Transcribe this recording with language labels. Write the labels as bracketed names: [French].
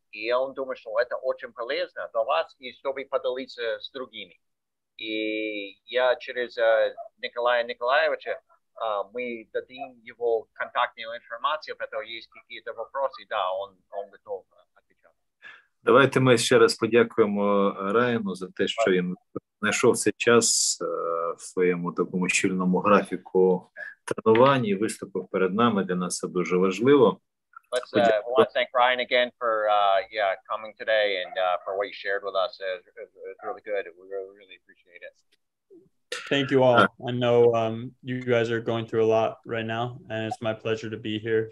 [Russian] И он думает, что это очень полезно для вас, и чтобы поделиться с другими. И я через Николая Николаевича, мы дадим его контактную информацию, потому что есть какие-то вопросы, да, он готов. [Ukrainian] Давайте ми ще раз подякуємо Райану за те, що він знайшов цей час в своєму такому щільному графіку тренувань і виступив перед нами. Для нас це дуже важливо. [English] Let's thank Ryan again for coming today and for what you shared with us. It's really good. We really appreciate it. Thank you all. I know you guys are going through a lot right now, and it's my pleasure to be here.